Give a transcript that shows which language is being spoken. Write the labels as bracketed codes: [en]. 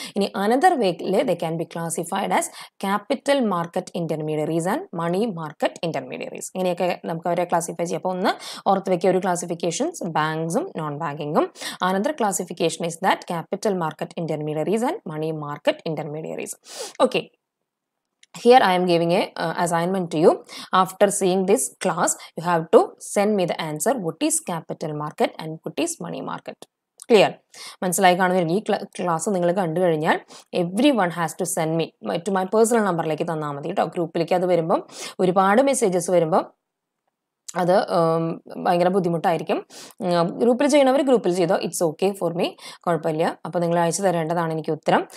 [en] ഇനി അനദർ വേയിൽ the can be classified as capital market intermediaries and money market intermediaries. [ml] ഇങ്ങനെയൊക്കെ നമുക്ക് അവരെ ക്ലാസിഫൈ ചെയ്യാം. അപ്പോൾ ഒന്ന് ഓർത്ത് വെക്കുക, ഒരു classifications ബാങ്ക്സും non ബാങ്കിങ്ങും. [en] Another classification is that capital market intermediaries and money market intermediaries. Okay, here I am giving a assignment to you. After seeing this class, you have to send me the answer, what is capital market and what is money market. [ml] Clear? മനസ്സിലായി കാണുന്നു. ഈ class നിങ്ങൾ കണ്ടു കഴിഞ്ഞാൽ [en] everyone has to send me to my personal [ml] നമ്പറിലേക്ക് തന്നാൽ മതി കേട്ടോ. ഗ്രൂപ്പിലേക്ക് അത് വരുമ്പം ഒരുപാട് മെസ്സേജസ് വരുമ്പം അത് ഭയങ്കര ബുദ്ധിമുട്ടായിരിക്കും. ഗ്രൂപ്പിൽ ചെയ്യണവർ ഗ്രൂപ്പിൽ ചെയ്തോ, [en] it's okay for me, [ml] കുഴപ്പമില്ല. അപ്പോൾ നിങ്ങൾ അയച്ചു തരേണ്ടതാണ് എനിക്ക് ഉത്തരം.